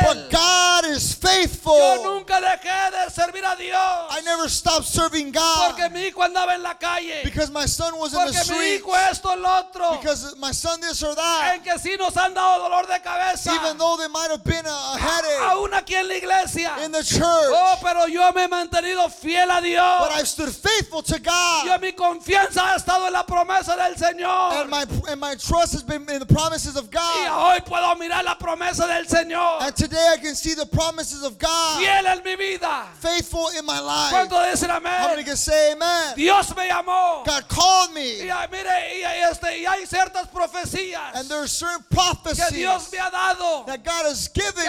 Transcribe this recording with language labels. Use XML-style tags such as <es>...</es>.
<en>But God is faithful.</en> <es>Yo nunca dejé de servir a Dios.</es> <en>I never stopped serving God.</en> <es>Porque mi hijo andaba en la calle.</es> <en>Because my son was</en> <es>porque</es> <en>in the street.</en> <es>Mi hijo esto, el otro.</es> <en>Because my son this or that.</en> <es>En que sí nos han dado dolor de cabeza.</es> <en>Even though they might have been a headache.</en> <es>Aún aquí en la iglesia.</es> <en>In the church.</en> <es>Oh, pero yo me he mantenido fiel a Dios.</es> <en>But I've stood faithful to God.</en> <es>Yo, mi confianza ha estado en la promesa del Señor.</es> <en>And my trust has been in the promises of God.</en> <es>Y hoy puedo mirar la promesa del Señor.</es> <en>And today I can see the promises of God.</en> <es>Fiel en mi vida.</es> <en>Faithful in my life.</en> <es>¿Cuánto dicen amén?</es> <en>How many can say amen?</en> <es>Dios me llamó.</es> <en>God called me.</en> <es>Y hay ciertas profecías.</es> <en>And there are certain prophecies</en> <es>que Dios me ha dado.</es> <en>That God has given</en> <es>que</es>